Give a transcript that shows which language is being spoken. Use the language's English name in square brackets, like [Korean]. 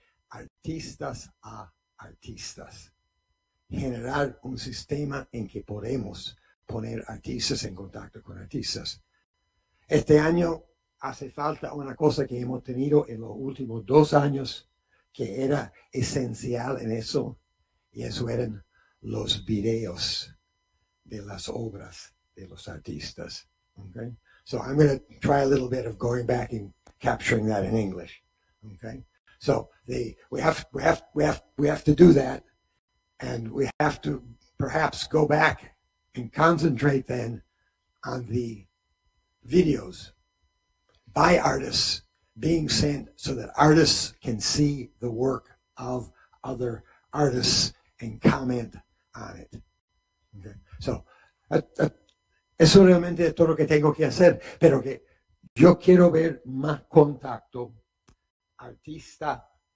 [Spanish] Artistas a artistas. Generar un sistema en que podemos poner artistas en contacto con artistas. Este año hace falta una cosa que hemos tenido en los últimos 2 años que era esencial en eso, y eso eran los videos. de las obras de los artistas. Okay? [English] So I'm going to try a little bit of going back and capturing that in English. Okay? So we have to do that, and we have to perhaps go back and concentrate then on the videos by artists being sent so that artists can see the work of other artists and comment on it. Okay. [Spanish] So, eso realmente es todo lo que tengo que hacer, pero que yo quiero ver más contacto artista,